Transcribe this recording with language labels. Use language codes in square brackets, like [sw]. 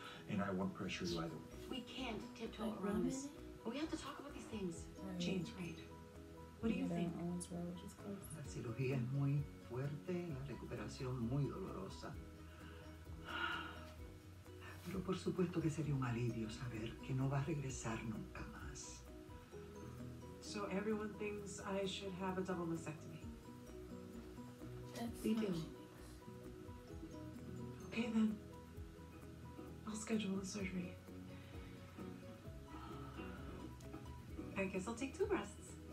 [en] And I won't pressure you either. We can't tiptoe around this. We have to talk about these things. Right. Jane's right. What do you think? [es] La cirugía es muy fuerte, la recuperación muy dolorosa. Pero por supuesto que sería un alivio saber que no va a regresar nunca más. [en] So everyone thinks I should have a double mastectomy. We do. Okay then, I'll schedule the surgery. I guess I'll take two breasts.